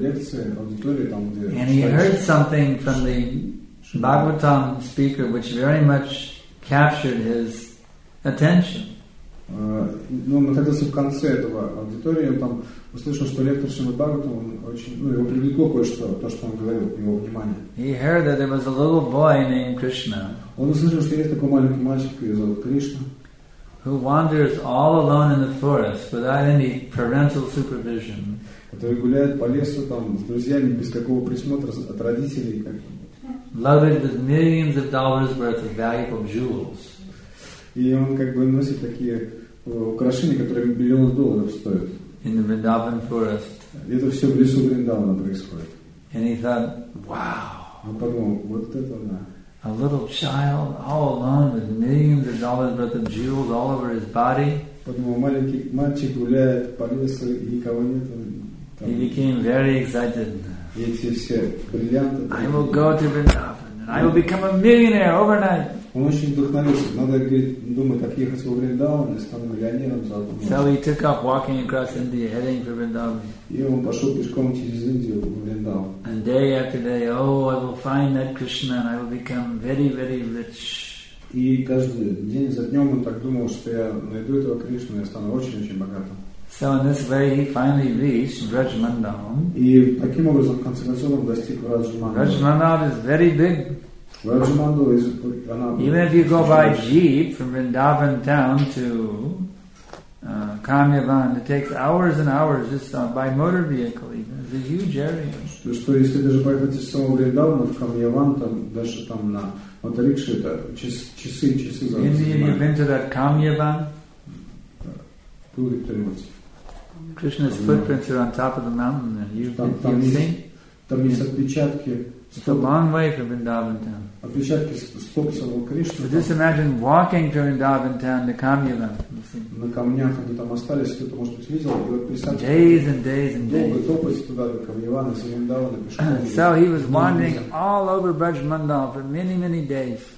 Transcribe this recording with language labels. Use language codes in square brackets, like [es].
[en] And he heard something from the Bhagavatam speaker, which very much captured his attention. [ru] Ну, он находился в конце этого аудитории, он там услышал, что лектор Шримад Бхагаватам, его привлекло кое-что, то, что он говорил, его внимание. [en] He heard that there was a little boy named Krishna. [ru] Он услышал, что есть такой маленький мальчик, его зовут Кришна. [en] Who wanders all alone in the forest without any parental supervision. [ru] Который гуляет по лесу там с друзьями без какого присмотра от родителей. Как... [en] Loaded with millions of dollars worth of valuable jewels. [ru] И он как бы носит такие украшения, которые миллионы долларов стоят. [en] In the Vrindavan forest. [ru] Это все в лесу Вриндавана происходит. [en] And he thought, wow. [ru] Он подумал, вот это да. [en] A little child, all alone, with millions of dollars worth of jewels all over his body. [ru] Подумал, маленький мальчик гуляет по лесу и никого нет. [en] He became very excited. [ru] Эти все бриллианты. [en] I will go to Vrindavan and I will become a millionaire overnight. [ru] Он очень вдохновился. Надо думать, как ехать в Вриндаван и стану миллионером за одну ночь. [en] So he took off walking across India, heading for Vrindavan. [ru] И он пошел пешком через Индию в Вриндаван. [en] And day after day, oh, I will find that Krishna and I will become very, very rich. [ru] И каждый день за днем он так думал, что я найду этого Кришну и я стану очень-очень богатым. [en] So in this way he finally reached Vrajmandavan. [ru] И таким образом, в конце концов, он достиг Vrajmandavan. [en] Vrajmandavan is very big. Even if you go by jeep from Vrindavan town to Kamyavan, it takes hours and hours just by motor vehicle. Even. It's a huge area. [ru] Что если даже поехать из самого Вриндавана в Камьяван, там даже там на моторикше это часы, часы за. [en] Have you been to that Kamyavan? Krishna's footprints are on top of the mountain. You've seen? [ru] Там есть отпечатки. [en] It's a long way from Vrindavan town. [ru] Отпечатки стоп самого Кришны. [en] Just imagine walking from Vrindavan town to Kamyavan. [ru] На камнях они там остались, кто-то может быть видел. [en] Days and days and days. [ru] Долго топать туда до Камьявана, из Вриндавана пешком. [en] So he was wandering all over Brajmandal for many, many days.